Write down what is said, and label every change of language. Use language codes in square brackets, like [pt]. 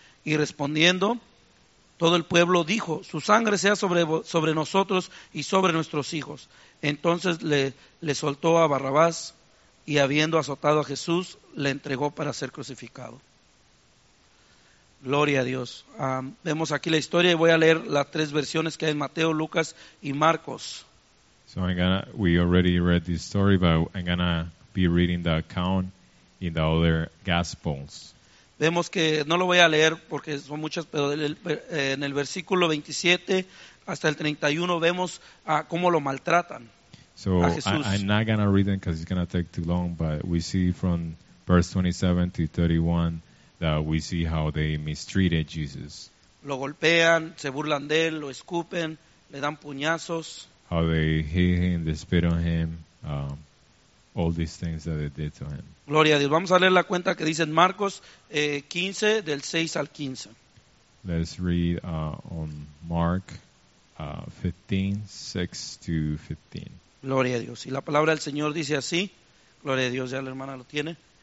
[es] Y respondiendo, todo el pueblo dijo, su sangre sea sobre nosotros y sobre nuestros hijos. Entonces le soltó a Barrabás y habiendo azotado a Jesús, le entregó para ser crucificado. Gloria a Dios. Vemos aquí la historia y voy a leer las tres versiones que hay en Mateo, Lucas y Marcos. [en] So we already read this story, but I'm going to be reading the account in the other Gospels. [es] Vemos que, no lo voy a leer porque son muchas, pero en el versículo 27 hasta el 31 vemos cómo lo maltratan. [en] So I'm not going to read them because it's going to take too long, but we see from verse 27 to 31 that we see how they mistreated Jesus. [es] Lo golpean, se burlan de él, lo escupen, le dan puñazos. [en] How they hit him, they spit on him, all these things that they did to him. [es] Gloria a Dios. Vamos a leer la cuenta que dice en Marcos 15, del 6 al 15. [en] Let's read on Mark 15, 6 to 15. [es] Gloria a Dios. Y la palabra del Señor dice así. Gloria a Dios, ya la hermana lo tiene.